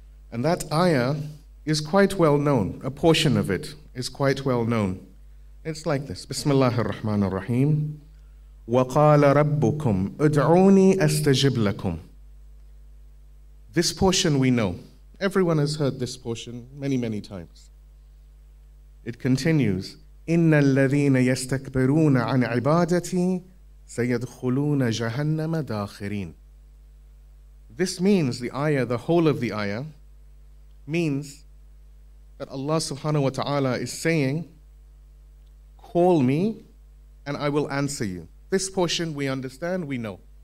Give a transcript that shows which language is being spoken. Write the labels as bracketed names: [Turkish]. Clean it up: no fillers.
[English] And that ayah is quite well known. A portion of it is quite well known. It's like this. [Arabic] Bismillah ar-Rahman ar-Rahim. وَقَالَ رَبُّكُمْ أُدْعُونِي أَسْتَجِبْ لَكُمْ. [English] This portion we know. Everyone has heard this portion many, many times. It continues, [Arabic] إِنَّ الَّذِينَ يَسْتَكْبِرُونَ عَنْ عِبَادَتِي سَيَدْخُلُونَ جَهَنَّمَ دَاخِرِينَ. [English] This means the ayah, the whole of the ayah, means that Allah subhanahu wa ta'ala is saying, call me and I will answer you. This portion we understand, we know.